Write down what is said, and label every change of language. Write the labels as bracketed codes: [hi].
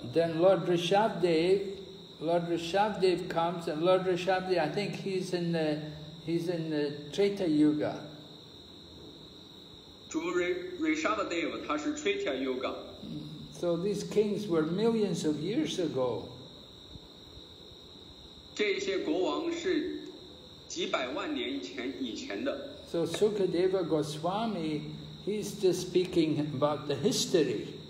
[en] Then Lord Rishabdev comes, and Lord Rishabdev, I think he's in the Treta Yuga. [zh] 主 Rishabhadeva 他是 Tritya Yuga。 [en] So these kings were millions of years ago。 [zh] 这些国王是几百万年前以前的。 [en] So Sukadeva Goswami, he's just speaking about the history。